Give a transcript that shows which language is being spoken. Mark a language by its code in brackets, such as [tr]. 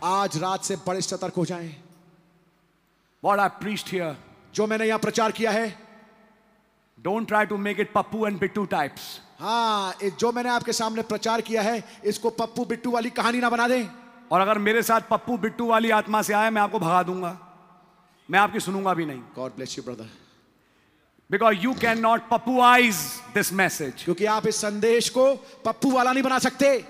[hi] आज रात से बड़े सतर्क हो जाएं. [en] What I preached here. [hi] जो मैंने यहाँ प्रचार किया है. [en] Don't try to make it Pappu and Bittu types. [hi] हाँ, जो मैंने आपके सामने प्रचार किया है, इसको पप्पू बिट्टू वाली कहानी ना बना दें. और अगर मेरे साथ पप्पू बिट्टू वाली आत्मा से आए मैं आपको भगा दूंगा मैं आपकी सुनूंगा भी नहीं [en] god bless you brother because you can not पप्पूआइज this message [hi] क्योंकि आप इस संदेश को पप्पू वाला नहीं बना सकते